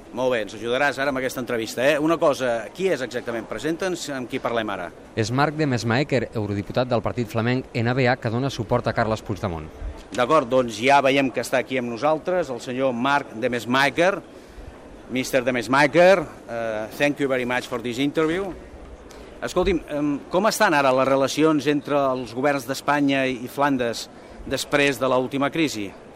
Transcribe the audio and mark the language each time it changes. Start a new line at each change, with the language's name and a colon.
Catalan: Molt bé, ens ajudaràs ara amb aquesta entrevista, eh? Una cosa, qui és exactament? Presenta'ns amb qui parlem ara. És Marc de Mesmaeker, eurodiputat del partit flamenc NBA, que dona suport a Carles Puigdemont. D'acord, doncs ja veiem que està aquí amb nosaltres el senyor Marc de Mesmaeker.
English: Mr. de Mesmaeker, thank you very much for this interview.
Catalan: Escolti'm, com estan ara les relacions entre els governs d'Espanya i Flandes després de l'última crisi?